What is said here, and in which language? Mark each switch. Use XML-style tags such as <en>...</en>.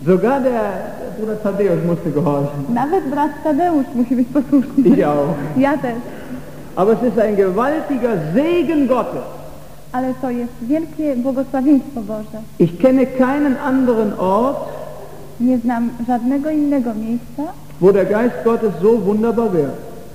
<de>Sogar der Bruder Tadeusz musste gehorchen.</de> <pl>Nawet brat Tadeusz musi być posłuszny.</pl> <de>Ja.</de> <pl>Ja też.</pl> <de>Aber es ist ein gewaltiger Segen Gottes.</de> <pl>Ale to jest wielkie błogosławieństwo Boże.</pl> <de>Ich kenne keinen anderen Ort.</de> <pl>Nie znam żadnego innego miejsca.</pl> <de>Wo der Geist Gottes so wunderbar wirkt.</de>